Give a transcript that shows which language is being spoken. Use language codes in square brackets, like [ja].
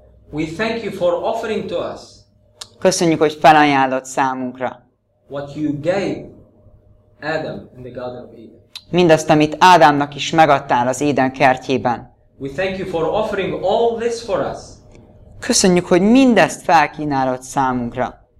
[en] We thank you for offering to us. [hu] Köszönjük, hogy felajánlott számunkra. [en] What you gave Adam in the Garden of Eden. [hu] Mindazt, amit Ádámnak is megadtál az Éden kertjében. [en] We thank you for offering all this for us. [hu] Köszönjük, hogy mindezt felkínálod számunkra.